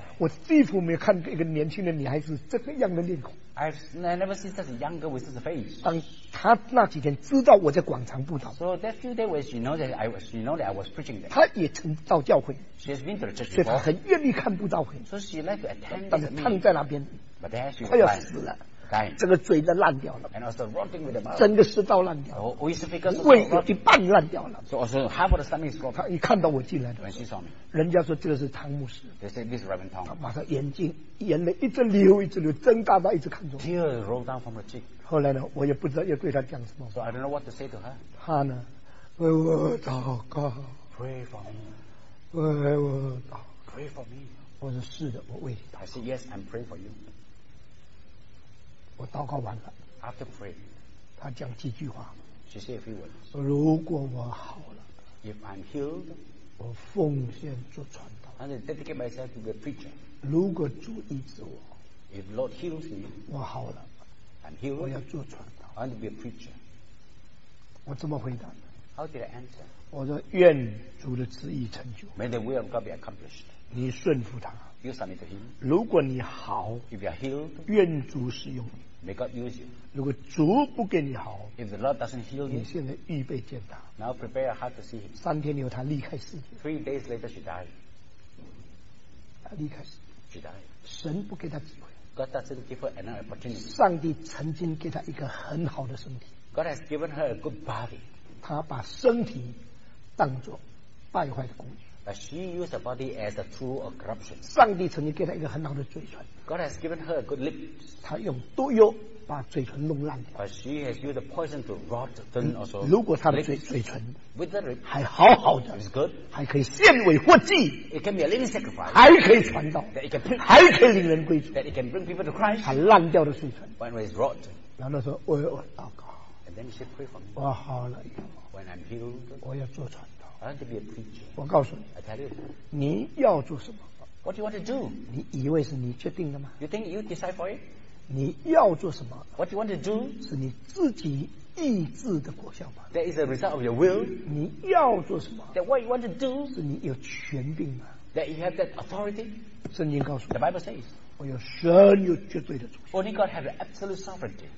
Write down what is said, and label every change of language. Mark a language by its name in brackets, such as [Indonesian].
[Chinese] 我几乎没有看过一个年轻的女孩子这个样的面孔。 [English] I've never seen such a young girl with such a face. [Chinese] 当她那几天知道我在广场布道 [English] ，So that few days when she knew that I was preaching there. [Chinese] 她也曾到教会 [English] ，She has been to the church. [Chinese] 所以她很愿意看布道会 [English] ，So she liked to attend. [Chinese] 但是躺在那边 [English] ，But then she [Chinese] 快要死了。这个嘴都烂掉了 [English] and also rotting with the mouth. [Chinese] 整个食道烂掉了胃有一半烂掉了 [English] so also half of the stomach is rotting. [Chinese] 他一看到我进来 [English] When she saw me, [Chinese] 人家说这个是汤牧师 [English] They said this is Reverend Tom. [Chinese] 他把他眼睛眼泪一直流一直流睁大大一直看着 [English] Tears roll down from the cheek. [Chinese] 后来呢我也不知道要对他讲什么 [English] so I don't know what to say to her. [Chinese] 他呢为我祷告 [English] pray for me [Chinese] 为我祷告 [English] pray for me [Chinese] 我说是的我为你祷告 [English] I said yes I'm praying for you. [Chinese] 我祷告完了 [English] After praying, [Chinese] 他讲几句话 [English] She said a few words, [Chinese] 如果我好了 [English] If I'm healed, [Chinese] 我奉献做传道 [English] And I dedicate myself to the preacher, [Chinese] 如果主医治我 [English] If Lord heals me, [Chinese] 我好了 [English] I'm healed, [Chinese] 我要做传道 [English] I want to be a preacher, [Chinese] 我这么回答 [English] How did I answer? [Chinese] 我说愿主的旨意成就 [English] May the will of God be accomplished, [Chinese] 你顺服他 [English] You submit to him. [Chinese] 如果你好 [English] If you are healed, [Chinese] 愿主使用你 [English] May God use you. [Chinese] 如果主不给你好 [English] If the Lord doesn't heal you, [Chinese] 你现在预备见他 [English] Now prepare your heart to see him. [Chinese] 三天以后他离开世界 [English] Three days later she died. [Chinese] 他离开世界 [English] She died. [Chinese] 神不给他机会 [English] God doesn't give her another opportunity. [Chinese] 上帝曾经给他一个很好的身体 [English] God has given her a good body. [Chinese] 他把身体当作败坏的工具 [English] But she used her body as a tool of corruption. [Chinese] 上帝曾经给她一个很好的嘴唇。 [English] God has given her a good lip. [Chinese] 她用毒药把嘴唇弄烂掉。 [English] But she has used the poison to rot them also. [Chinese] 如果她的嘴唇 [English] with the lip [Chinese] 还好好的 [English] is good, [Chinese] 还可以献为活祭 [English] it can be a living sacrifice. [Chinese] 还可以传道 [English] that it can bring, [Chinese] 还可以令人归主 [English] that it can bring people to Christ. [Chinese] 她烂掉的嘴唇 [English] when it is rot. [Chinese] 然后说为我祷告 [English] and then she prayed for me. [Chinese] 我好了以后 [English] when I'm healed, [Chinese] 我要做传。 [English] I want to be a preacher. [Chinese] 我告诉你 [English] I tell you, [Chinese] 你要做什么 [English] What do you want to do? [Chinese] 你以为是你决定的吗 [English] You think you decide for it? [Chinese] 你要做什么 [English] What do you want to do? [Chinese] 是你自己意志的果效吗 [English] That is a result of your will. [Chinese] 你要做什么 [English] That what you want to do? [Chinese] 是你有权柄吗 [English] That you have that authority? [Chinese] 圣经告诉你 [English] The Bible says, [Chinese] 我有神有绝对的主权 [English] Only God has an absolute sovereignty.